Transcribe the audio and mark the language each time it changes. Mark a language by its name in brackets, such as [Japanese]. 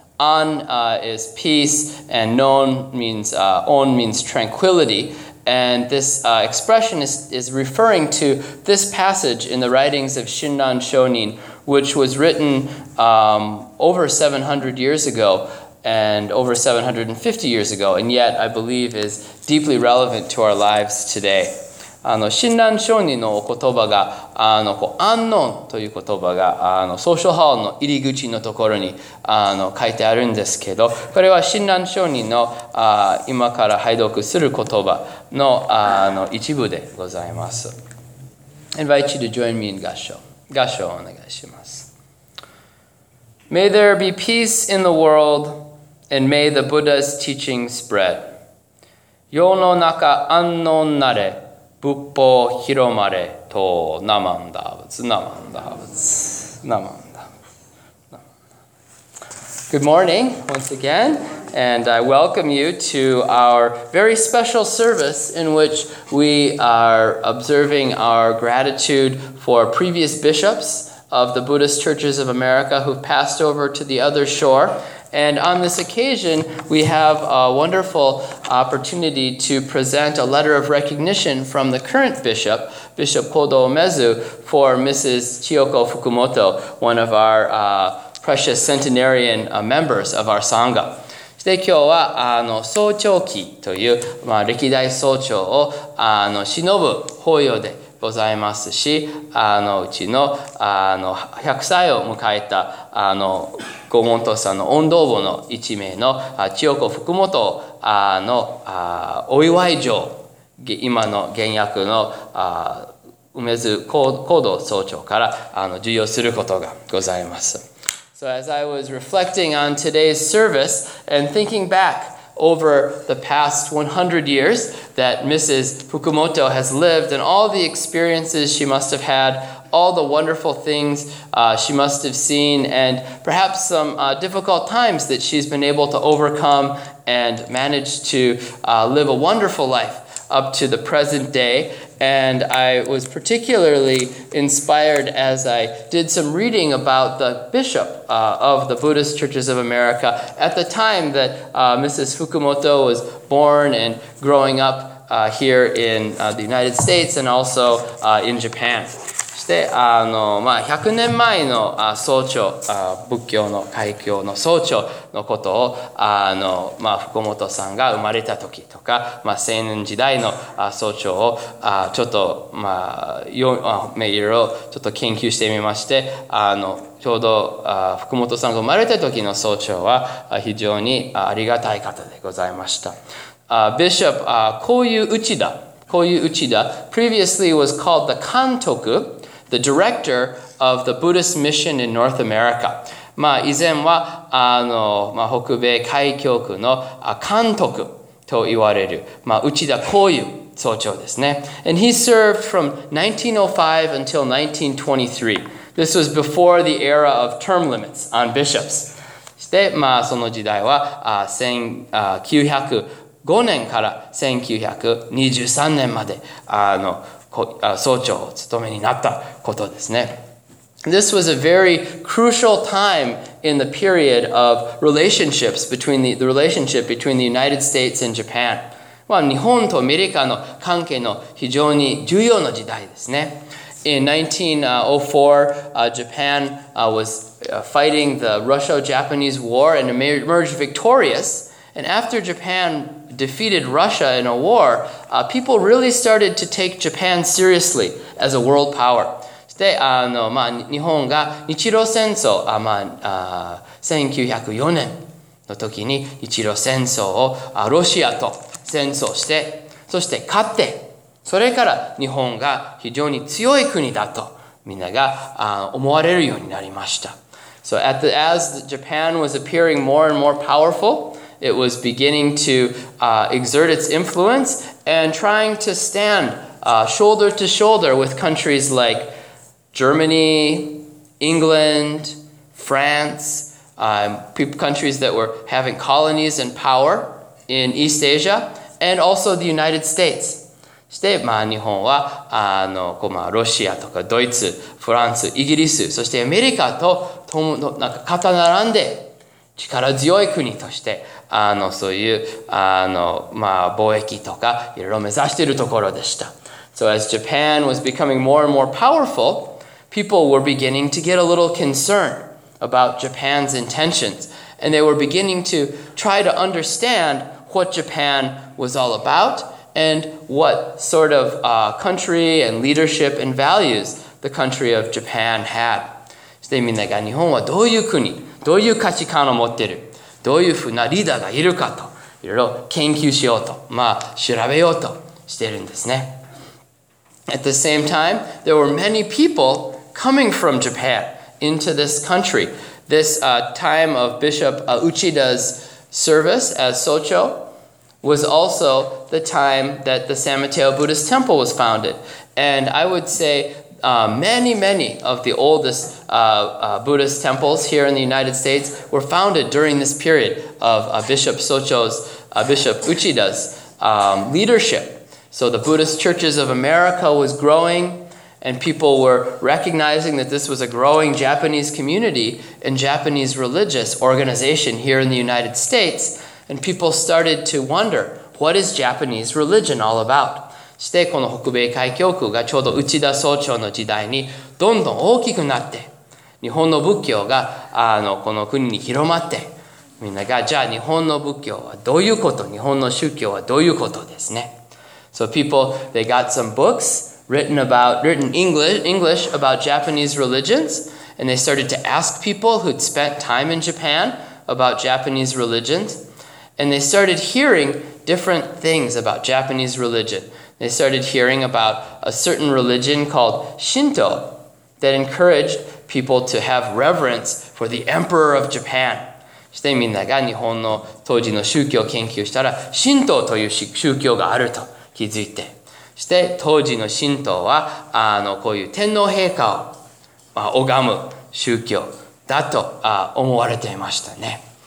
[English] An is peace, and non means on means tranquility, and this expression is referring to this passage in the writings of Shinran Shonin, which was written over 700 years ago and over 750 years ago, and yet I believe is deeply relevant to our lives today. [Japanese] あの新蘭商人の言葉が、あのこう、安穏という言葉が、あの、ソーシャルハウスの入り口のところに、あの、書いてあるんですけど、これは新蘭商人の、あ、今から拝読する言葉の、あの、一部でございます。 [English] Invite you to join me in [Japanese] 合唱。合唱をお願いします。 [English] May there be peace in the world, and may the Buddha's teaching spread. [Japanese] 世の中安穏なれ。仏法広まれとナマンダブツナマンダブツナマンダ。 [English] Good morning once again, and I welcome you to our very special service in which we are observing our gratitude for previous bishops of the Buddhist Churches of America who passed over to the other shore. And on this occasion, we have a wonderful opportunity to present a letter of recognition from the current bishop, Bishop Kodo Umezu, for Mrs. Chiyoko Fukumoto, one of our precious centenarian members of our Sangha. [Japanese] で今日はあの総長記という、まあ、歴代総長をあの忍ぶ法要でございますし、あのうちの、あの100歳を迎えたあのご門徒さんの音頭部の一名の千代子福本のお祝い状、今の原役の梅津高堂総長からあの授与することがございます。 [English] So as I was reflecting on today's service and thinking back over the past 100 years that Mrs. Fukumoto has lived and all the experiences she must have had, all the wonderful things she must have seen, and perhaps some difficult times that she's been able to overcome and manage to live a wonderful life up to the present day. And I was particularly inspired as I did some reading about the bishop of the Buddhist Churches of America at the time that Mrs. Fukumoto was born and growing up here in the United States and also in Japan. [Japanese] そして、あの、まあ、100年前の総長、仏教の開教の総長のことを、あの、まあ、福本さんが生まれた時とか、まあ、青年時代の総長を、ちょっと、まあ、いろいろちょっと研究してみまして、あの、ちょうど、福本さんが生まれた時の総長は、非常にありがたい方でございました。 [English] Bishop, Koyu Uchida, Koyu Uchida previously was called the Kantoku, the director of the Buddhist mission in North America. [Japanese] まあ以前はあの、まあ、北米海教区の監督と言われる、まあ、内田光雄総長ですね。 [English] And he served from 1905 until 1923. This was before the era of term limits on bishops. [Japanese] そして、まあ、その時代は1905年から1923年まで、あの総長を務めになったことですね。 [English] This was a very crucial time in the period of relationships between the relationship between the United States and Japan. [Japanese] まあ、日本とアメリカの関係の非常に重要な時代ですね。 [English] In 1904, Japan was fighting the Russo-Japanese War and emerged victorious. And after Japan defeated Russia in a war, people really started to take Japan seriously as a world power. [Japanese] で、まあ、日本が日露戦争、1904年の時に日露戦争をロシアと戦争して、そして勝って、それから日本が非常に強い国だとみんなが思われるようになりました。 [English] So as Japan was appearing more and more powerful, it was beginning to exert its influence and trying to stand shoulder to shoulder with countries like Germany, England, France, countries that were having colonies and power in East Asia, and also the United States. [Japanese] そして、まあ、日本は、ロシアとかドイツ、フランス、イギリス、そしてアメリカと、なんか、肩並んで、力強い国として、そういう、まあ、貿易とか、いろいろ目指しているところでした。 [English] So as Japan was becoming more and more powerful,People were beginning to get a little concerned about Japan's intentions, and they were beginning to try to understand what Japan was all about and what sort of country and leadership and values the country of Japan had. [Japanese] So, みんなが日本はどういう国、どういう価値観を持ってる、どういうふうなリーダーがいるかといろいろ研究しようと、まあ調べようとしてるんですね。 [English] At the same time, there were many people coming from Japan into this country. This time of Bishop Uchida's service as Socho was also the time that the San Mateo Buddhist Temple was founded. And I would say many, many of the oldest Buddhist temples here in the United States were founded during this period of Bishop Socho's, Bishop Uchida's leadership. So the Buddhist churches of America was growing, and people were recognizing that this was a growing Japanese community and Japanese religious organization here in the United States. And people started to wonder, what is Japanese religion all about? [Japanese] そしてこの北米海教区がちょうど内田総長の時代にどんどん大きくなって、日本の仏教がこの国に広まって、みんながじゃあ日本の仏教はどういうこと、日本の宗教はどういうことですね。 [English] So people, they got some books written English about Japanese religions, and they started to ask people who'd spent time in Japan about Japanese religions, and they started hearing different things about Japanese religion. They started hearing about a certain religion called Shinto that encouraged people to have reverence for the Emperor of Japan. [Japanese] そしてみんなが日本の当時の宗教研究したら、神道という宗教があると気づいて。そして当時の神道は、こういう天皇陛下を、まあ、拝む宗教だと思われていましたね。